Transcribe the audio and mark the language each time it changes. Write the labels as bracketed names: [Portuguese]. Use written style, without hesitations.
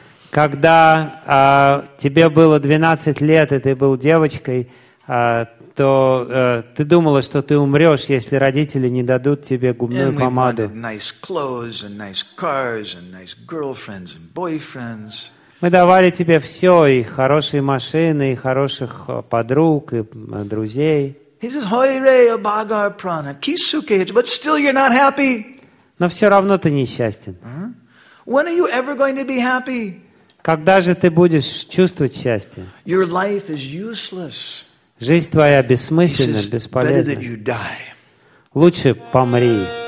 [Russian] Когда тебе было 12 лет, и ты был девочкой, то ты думала, что ты умрешь, если родители не дадут тебе губную помаду. [English] Nice clothes, and nice cars, and nice girlfriends and boyfriends. [Russian] Мы давали тебе все, и хорошие машины, и хороших подруг, и друзей. [English] He says, [Bangla] Hoire, Abhagar Prana, Kisuke, [English] but still you're not happy. [Russian] Но все равно ты несчастен. [English] When are you ever going to be happy? [Russian] Когда же ты будешь чувствовать счастье? [English] Your life is useless. [Russian] Жизнь твоя бессмысленна, бесполезна. [English] Better that you die. [Russian] Лучше помри.